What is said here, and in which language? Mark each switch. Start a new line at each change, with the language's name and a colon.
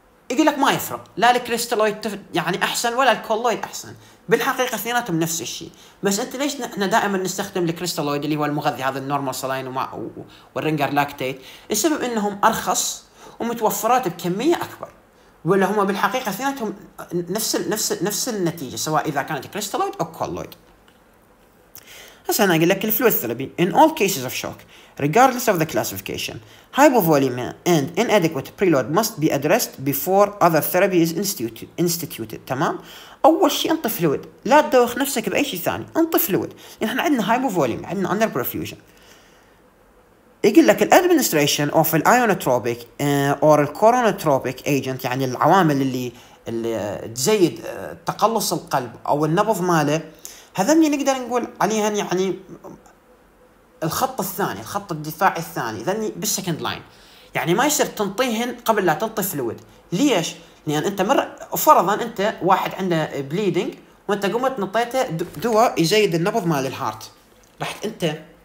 Arabic: يقول لك ما يفرق لا الكريستالويد يعني احسن ولا الكولويد احسن بالحقيقه اثنيناتهم نفس الشيء بس انت ليش احنا دائما نستخدم الكريستالويد اللي هو المغذي هذا النورمال سلاين والرينجر لاكتيت السبب انهم ارخص ومتوفرات بكميه اكبر ولا هما بالحقيقة اثنيناتهم نفس نفس نفس النتيجة سواء إذا كانت كريستالويد أو كولويد. هسه أنا أقول لك الفلويد ثيرابي
English: in all cases of shock regardless of the classification hypovolemia and inadequate preload must be addressed before other therapy is instituted
Arabic: تمام؟ أول شيء انطي فلويد لا تدوخ نفسك بأي شيء ثاني انطي فلويد لأن يعني عندنا hypovolemia عندنا under perfusion. يقول لك الـ
English: administration of the ionotropic or the coronotropic agent
Arabic: يعني العوامل اللي تزيد تقلص القلب أو النبض ماله هذني نقدر نقول عليهن يعني الخط الثاني الخط الدفاعي الثاني ذني بالسكند لاين يعني ما يصير تنطيهن قبل لا تنطي فلويد ليش؟ لأن يعني أنت مر فرضا أنت واحد عنده bleeding وأنت قمت نطيته دواء يزيد النبض ماله الهارت رحت أنت